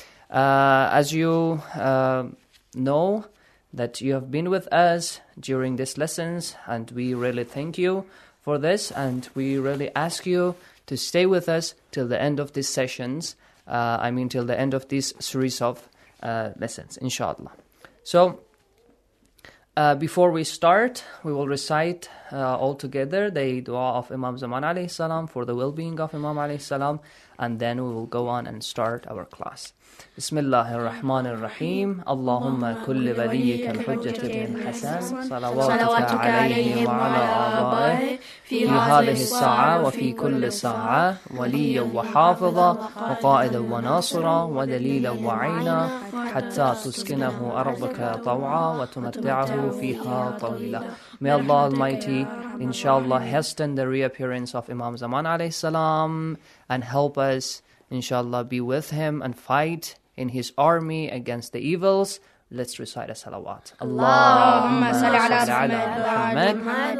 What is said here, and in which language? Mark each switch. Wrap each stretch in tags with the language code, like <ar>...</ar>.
<en>As you know, that you have been with us during these lessons, and we really thank you for this, and we really ask you to stay with us till the end of these sessions, till the end of this series of lessons, inshallah. So, before we start, we will recite all together the dua of Imam Zaman alayhi salam for the well-being of Imam alayhi salam, and then we will go on and start our class.</en> <ar>بسم الله الرحمن الرحيم اللهم كل وليك الحجة بن الحسن صلواتك عليه وعلى آبائه في هذه الساعة وفي كل ساعة وليا وحافظا وقائدا وناصرا ودليلا وعينا حتى تسكنه أرضك طوعا وتمتعه فيها طويلا.</ar> <en>May Allah Almighty inshallah hasten the reappearance of Imam Zaman alayhi salam and help us inshallah be with him and fight in his army against the evils. Let's recite a salawat.</en> <ar>Allahumma salli ala Muhammad</ar>